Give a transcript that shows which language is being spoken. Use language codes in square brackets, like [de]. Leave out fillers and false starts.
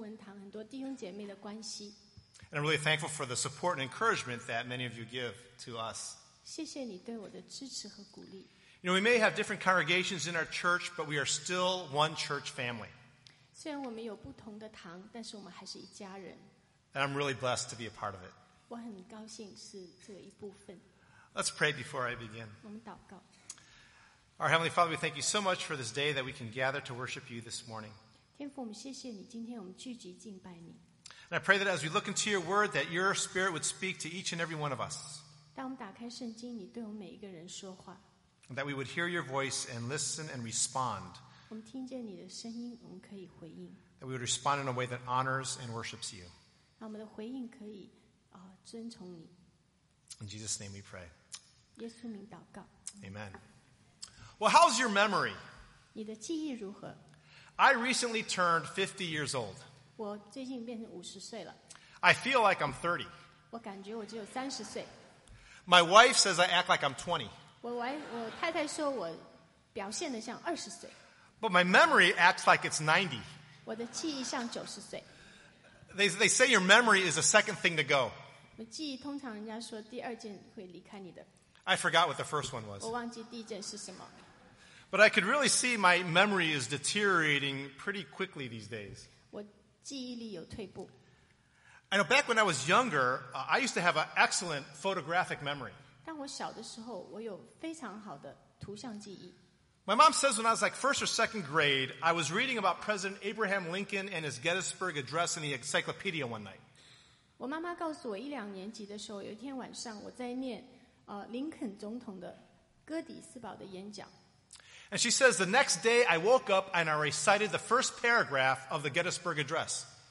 [zh] 虽然我是英文堂的牧师，但是我很珍惜我跟你们这个中文堂很多弟兄姐妹的关系。 [en] And I'm really thankful for the support and encouragement that many of you give to us. [zh] 谢谢你对我的支持和鼓励。 [en] You know, we may have different congregations in our church, but we are still one church family. [zh] 虽然我们有不同的堂，但是我们还是一家人。 [en] And I'm really blessed to be a part of it. [zh] 我很高兴是这一部分。 [en] Let's pray before I begin. [zh] 我们祷告。 [en] Our Heavenly Father, we thank you so much for this day that we can gather to worship you this morning. [zh] 天父，我们谢谢你，今天我们聚集敬拜你。 [en] And I pray that as we look into your word, that your spirit would speak to each and every one of us. [zh] 当我们打开圣经，你对我们每一个人说话。 [en] And that we would hear your voice and listen and respond. [zh] 我们听见你的声音，我们可以回应。 [en] That we would respond in a way that honors and worships you. [zh] 让我们的回应可以, 尊崇你。 [en] In Jesus' name we pray. [zh] 耶稣名祷告。 [en] Amen. Well, how's your memory? [zh] 你的记忆如何? [en] I recently turned 50 years old. [zh] 我最近变成50岁了。 [en] I feel like I'm 30. [zh] 我感觉我只有30岁。 [en] My wife says I act like I'm 20. [zh] 我太太说我表现得像20岁。 [en] But my memory acts like it's 90. [zh] 我的记忆像90岁。 [en] They say your memory is the second thing to go. [zh] 我记忆通常人家说第二件会离开你的。 [en] I forgot what the first one was. [zh] 我忘记第一件是什么。 [en] But I could really see my memory is deteriorating pretty quickly these days. [zh] 我记忆力有退步。 [en] I know back when I was younger, I used to have an excellent photographic memory. [zh] 当我小的时候，我有非常好的图像记忆。 [en] My mom says when I was like first or second grade, I was reading about President Abraham Lincoln and his Gettysburg Address in the encyclopedia one night. [zh] 我妈妈告诉我，一两年级的时候，有一天晚上我在念 林肯总统的哥底斯堡的演讲。 [en] And she says, the next day I woke up and I recited the first paragraph of the Gettysburg Address.